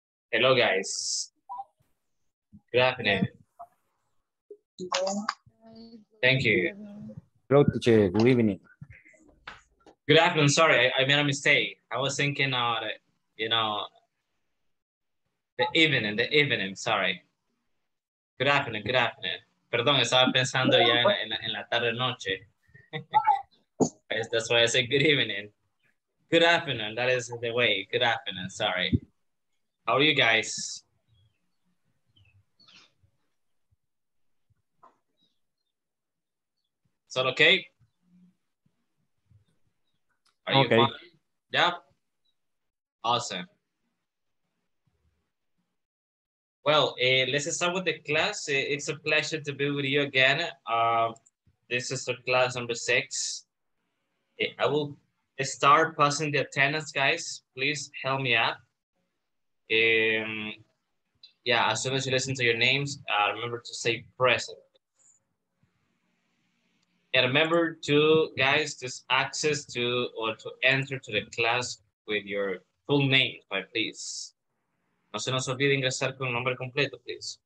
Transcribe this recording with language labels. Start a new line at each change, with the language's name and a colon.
English: Hello, guys. Good afternoon. Thank you. Hello, teacher. Good evening. Good afternoon. Sorry, I made a mistake. I was thinking about it, you know, the evening, sorry. Good afternoon.
Spanish: Perdón, estaba pensando ya en la tarde-noche.
English: That's why I said good evening. Good afternoon. That is the way. Good afternoon. Sorry. How are you guys? Is that okay? Are okay. You fine? Yeah. Awesome. Well, let's start with the class. It's a pleasure to be with you again. This is the class number 6. I will start passing the attendance, guys. Please help me out. As soon as you listen to your names, remember to say present. And remember to, guys, just access to or to enter to the class with your full name, please.
Spanish: No se nos olvide ingresar con el nombre completo, please.